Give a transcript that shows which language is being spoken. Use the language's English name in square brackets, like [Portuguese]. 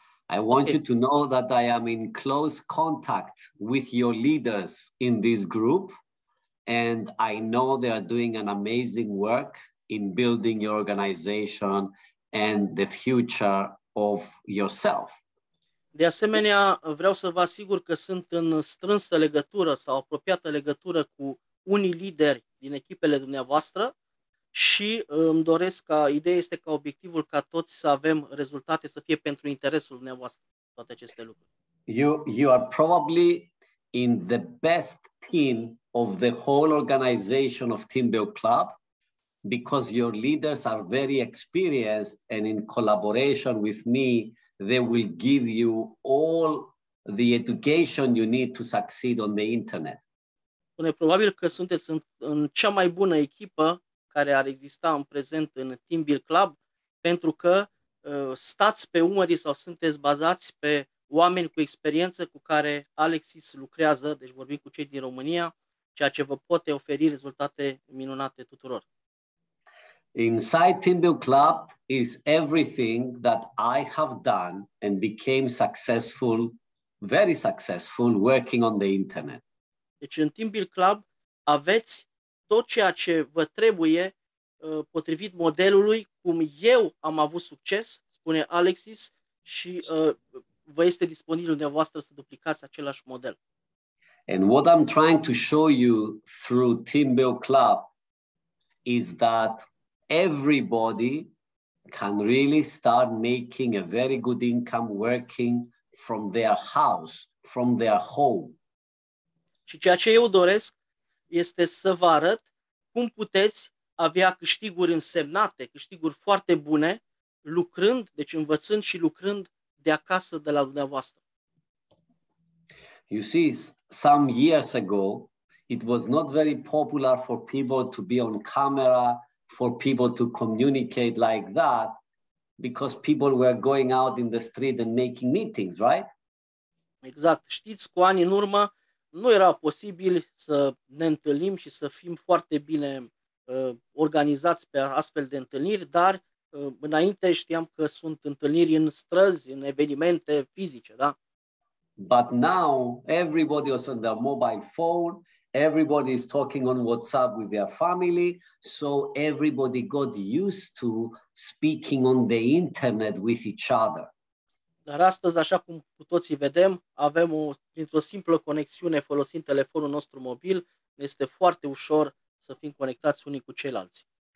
[English] You to know that I am in close contact with your leaders in this group, and I know they are doing an amazing work in building your organization and the future of yourself. [Romanian] De asemenea, vreau să vă asigur că sunt în strânsă legătură sau apropiată legătură cu unii lideri din echipele dumneavoastră. Și îmi doresc ca ideea este ca obiectivul ca toți să avem rezultate să fie pentru interesul dumneavoastră toate aceste lucruri. [English] You are probably in the best team of the whole organization of Team Build Club because your leaders are very experienced and in collaboration with me they will give you all the education you need to succeed on the internet. [Romanian] Spune, probabil că sunteți în cea mai bună echipă care ar exista în prezent în Team Build Club, pentru că stați pe umării sau sunteți bazați pe oameni cu experiență cu care Alexis lucrează, deci vorbim cu cei din România, ceea ce vă poate oferi rezultate minunate tuturor. [English] Inside Team Build Club is everything that I have done and became successful, very successful, working on the internet. [Romanian] Deci în Team Build Club aveți tot ceea ce vă trebuie potrivit modelului cum eu am avut succes, spune Alexis, și vă este disponibil dumneavoastră să duplicați același model. [English] And what I'm trying to show you through Team Build Club is that everybody can really start making a very good income working from their house, from their home. [Romanian] Și ceea ce eu doresc este să vă arăt cum puteți avea câștiguri însemnate, câștiguri foarte bune, lucrând, deci învățând și lucrând de acasă de la dumneavoastră. [English] You see, some years ago, it was not very popular for people to be on camera, for people to communicate like that, because people were going out in the street and making meetings, right? [Romanian] Exact. Știți, cu ani în urmă, nu era posibil să ne întâlnim și să fim foarte bine organizați pe astfel de întâlniri, dar înainte știam că sunt întâlniri în străzi, în evenimente fizice, da? [English] But now everybody was on their mobile phone, everybody is talking on WhatsApp with their family, so everybody got used to speaking on the internet with each other. [Romanian] Dar astăzi, așa cum cu toții vedem, avem printr-o simplă conexiune folosind telefonul nostru mobil, este foarte ușor să fim conectați unii cu ceilalți.